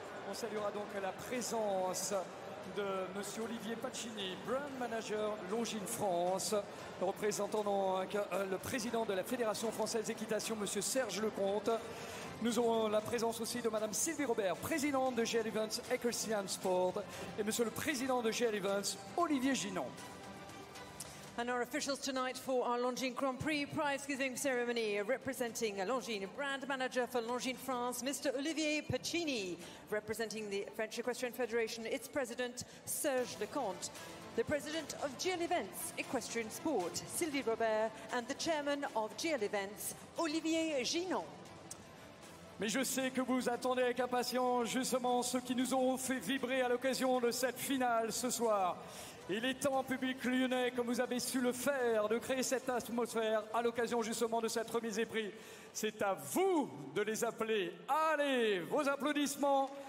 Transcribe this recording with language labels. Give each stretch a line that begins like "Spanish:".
French: On saluera donc la présence de Monsieur Olivier Pacini, brand manager Longines France, représentant donc le président de la Fédération française d'équitation, Monsieur Serge Lecomte. Nous aurons la présence aussi de Madame Sylvie Robert, présidente de GL Events Equestrian Sport, et Monsieur le président de GL Events, Olivier Ginon.
English: And our officials tonight for our Longines Grand Prix prize giving ceremony, representing Longines brand manager for Longines France, Mr. Olivier Pacini, representing the French Equestrian Federation, its president, Serge Lecomte, the president of GL Events Equestrian Sport, Sylvie Robert, and the chairman of GL Events, Olivier Ginon.
French: Mais je sais que vous attendez avec impatience justement ceux qui nous ont fait vibrer à l'occasion de cette finale ce soir. Il est temps, public lyonnais, comme vous avez su le faire, de créer cette atmosphère à l'occasion justement de cette remise des prix. C'est à vous de les appeler. Allez, vos applaudissements.